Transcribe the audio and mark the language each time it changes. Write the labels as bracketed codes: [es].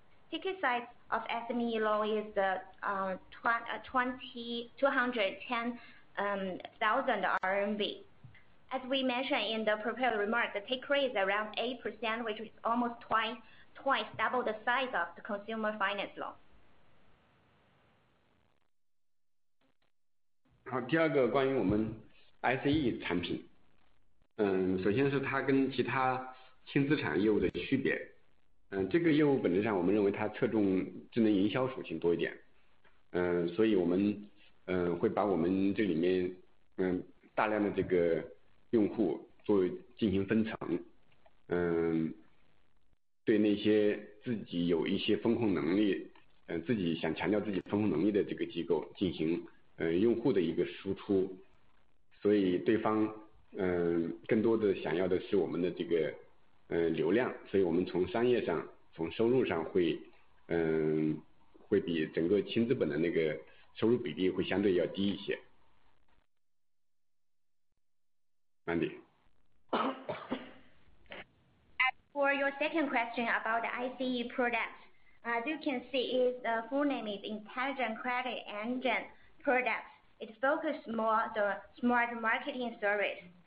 [en] Ticket size of SME loan is the 210,000 RMB. As we mentioned in the prepared remark, the take rate is around 8%, which is almost twice double the size of the consumer finance loan. [zh] 好，第二个关于我们 SE 产品，首先是它跟其他轻资产业务的区别。这个业务本质上我们认为它侧重智能营销属性多一点，所以我们会把我们这里面大量的这个用户作为进行分层，对那些自己有一些风控能力，自己想强调自己风控能力的这个机构进行用户的一个输出，所以对方更多的想要的是我们的这个流量，所以我们从商业上从收入上会比整个轻资本的那个收入比例会相对要低一些。 [en] Mandy。 As for your second question about the ICE product, as you can see, its full name is Intelligent Credit Engine Product. It focuses more on the smart marketing service.